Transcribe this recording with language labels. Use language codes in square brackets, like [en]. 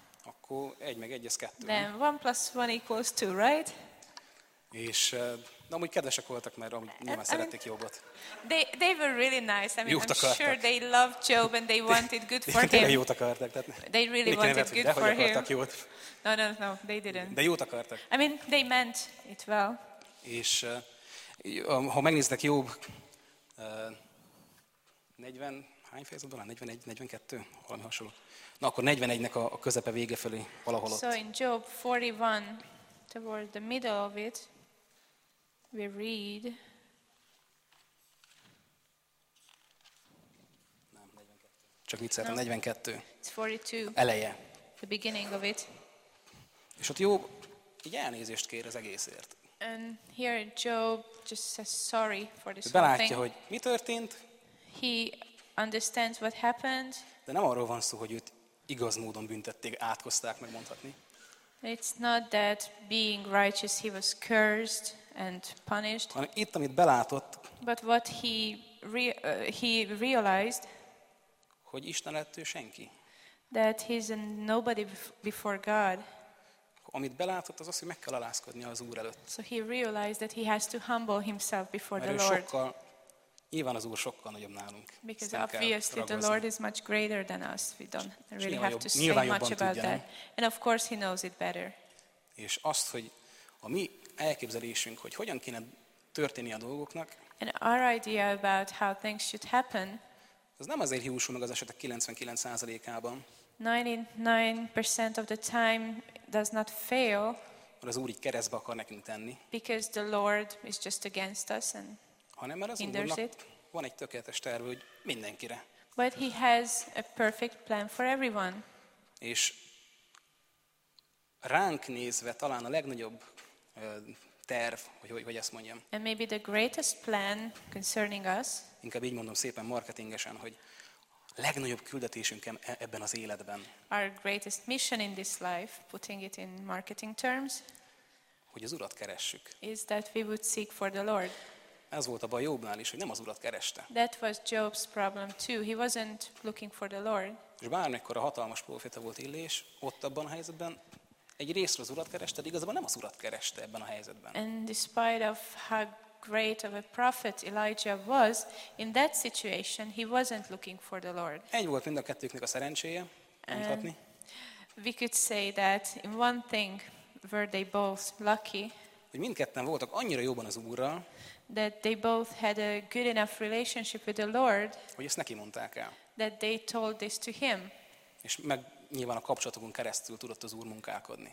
[hu] akkor egy meg egy, az kettő. [en] Then one plus one equals two, right? [hu] És de amúgy kedvesek voltak, mert amúgy nyilván szerették Jobot. [en] They were really nice. I mean, I'm sure they loved Job and they wanted good for him. [hu] Tényleg jót akartak. [en] They really wanted good for him. [hu] Jót. [en] No, they didn't. [hu] De jót akartak. [en] I mean, they meant it well. [hu] És ha megnéznek Job 40, hány fejezetben? 41, 42? Valami hasonló. Na akkor 41-nek a közepe vége felé valahol ott. [en] So in Job 41, toward the middle of it, we read. [hu] Nem, 42. Csak vicceltem, no. 42. [en] It's 42. [hu] Eleje. [en] The beginning of it. [hu] És ott Job így elnézést kér az egészért. [en] And here Job just says sorry for this [hu] belátja, [en] whole thing. [hu] Hogy mi történt. [en] He understands what happened. [hu] De nem arról van szó, hogy őt igaz módon büntették, átkozták, megmondhatni. [en] It's not that being righteous he was cursed and punished. [hu] Hanem itt, amit belátott. [en] But what he realized. [hu] Hogy Isten lett ő senki. [en] That he's a nobody before God. [hu] Amit belátott, az az, hogy meg kell alázkodni az Úr előtt. [en] So he realized that he has to humble himself before [hu] mert [en] the Lord. [hu] Sokkal, nyilván az Úr sokkal nagyobb nálunk. [en] Because obviously the Lord is much greater than us. We don't really [hu] nyilván [en] have to [hu] nyilván [en] say much about [hu] tudja, [en] that. And of course he knows it better. [hu] És azt, hogy a mi elképzelésünk, hogy hogyan kéne történni a dolgoknak. [en] And our idea about how things should happen. [hu] Ez nem azért hiúsul meg az esetek 99%-ában. [en] 99% of the time does not fail. [hu] Mert az Úr így keresztbe akar nekünk tenni. [en] Because the Lord is just against us and [hu] hanem mert az Úrnak van egy tökéletes terv, hogy mindenkire. [en] But he has a perfect plan for everyone. [hu] És ránk nézve talán a legnagyobb terv, hogy ezt mondjam. [en] And maybe the greatest plan concerning us. [hu] Inkább így mondom szépen marketingesen, hogy legnagyobb küldetésünk ebben az életben. [en] Our greatest mission in this life, putting it in marketing terms, [hu] hogy az Urat keressük. [en] Is that we would seek for the Lord. [hu] Ez volt a baj Jobnál is, hogy nem az Urat kereste. [en] That was Job's problem too. He wasn't looking for the Lord. [hu] És bármikor a hatalmas proféta volt Illés, ott abban a helyzetben egy részre az Urat kereste, de igazából nem az Urat kereste ebben a helyzetben. [en] And despite of how great of a prophet Elijah was in that situation, he wasn't looking for the Lord. [hu] Egy volt mind a kettőknek a szerencséje, mondhatni. [en] We could say that in one thing were they both lucky. [hu] Hogy mindketten voltak annyira jóban az Úrral, [en] that they both had a good enough relationship with the Lord, [hu] hogy ezt neki mondták el. [en] That they told this to him. [hu] És meg nyilván a kapcsolatokon keresztül tudott az Úr munkálkodni.